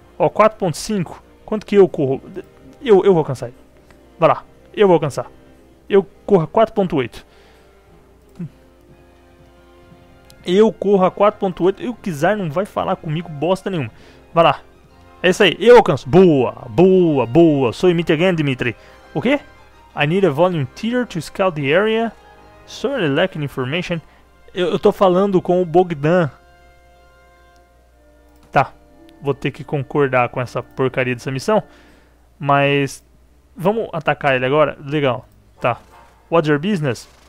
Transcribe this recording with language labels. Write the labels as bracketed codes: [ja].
[pt] Ó, 4,5. Quanto que eu corro? Eu vou alcançar ele. Vai lá. Eu vou alcançar. Eu corro a 4,8. Eu corro a 4,8. E o Kizar não vai falar comigo bosta nenhuma. Vai lá. É isso aí. Eu alcanço. Boa, boa, boa. [en] So you meet again, Dimitri. [pt] O quê? [en] I need a volunteer to scout the area. Sorry, lacking information. [pt] Eu tô falando com o Bogdan. Vou ter que concordar com essa porcaria dessa missão. Mas. Vamos atacar ele agora? Legal. Tá. [en] What's your business?